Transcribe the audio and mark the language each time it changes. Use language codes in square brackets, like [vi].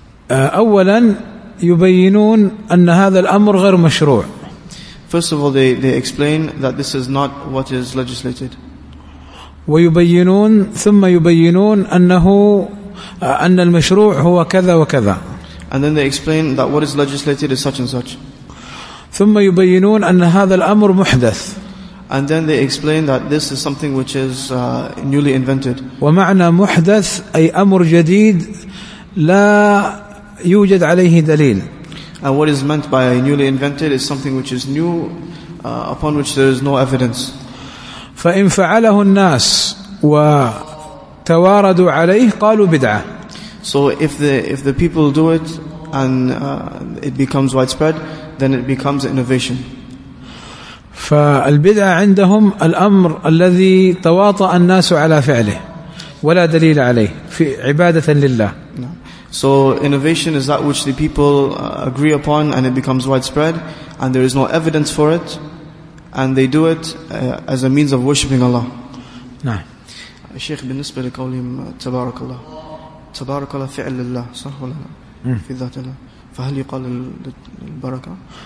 [ar] أولا يبينون أن هذا الأمر غير مشروع. [en] First of all, they explain that this is not what is legislated. [ar] ويبينون ثم يبينون أنه أن المشروع هو كذا وكذا. [en] And then they explain that what is legislated is such and such. [ar] ثم يبينون أن هذا الأمر محدث. [en] And then they explain that this is something which is newly invented. [ar] ومعنى محدث أي أمر جديد لا يوجد عليه دليل. [en] And what is meant by newly invented is something which is new, upon which there is no evidence. [ar] فإن فعله الناس وتواردوا عليه قالوا بدعة. [en] So if the people do it and it becomes widespread, then it becomes innovation. [ar] فالبدعة عندهم الأمر الذي تواطأ الناس على فعله ولا دليل عليه في عبادة لله. [en] So innovation is that which the people agree upon and it becomes widespread and there is no evidence for it and they do it as a means of worshipping Allah. [ar] نعم. شيخ بالنسبة لقولهم تبارك الله. تبارك الله فعل الله صح ولا لا؟ في ذات الله. فهل يقال البركة؟